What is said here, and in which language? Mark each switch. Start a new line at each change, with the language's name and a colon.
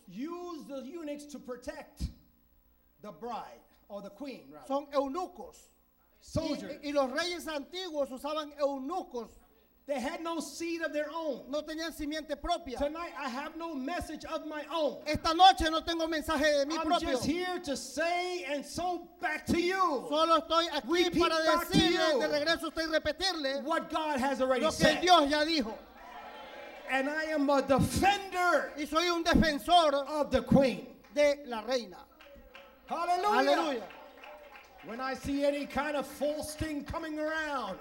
English: use the eunuchs to protect the bride or the queen, rather.
Spanish: Son eunucos.
English: Soldiers.
Spanish: Y los reyes antiguos usaban eunucos.
English: They had no seed of their own.
Spanish: No tenían simiente propia.
English: Tonight I have no message of my own.
Spanish: Esta noche no tengo mensaje de mí propio.
English: I'm just here to say and sow back to you.
Spanish: Solo estoy aquí para decirle de regreso a usted y repetirle
English: what God has already
Spanish: lo que
English: said.
Spanish: Dios ya dijo.
English: And I am a defender.
Spanish: Y soy un defensor
English: of the queen.
Spanish: De la reina.
English: Hallelujah.
Spanish: Hallelujah.
English: When I see any kind of false thing coming around,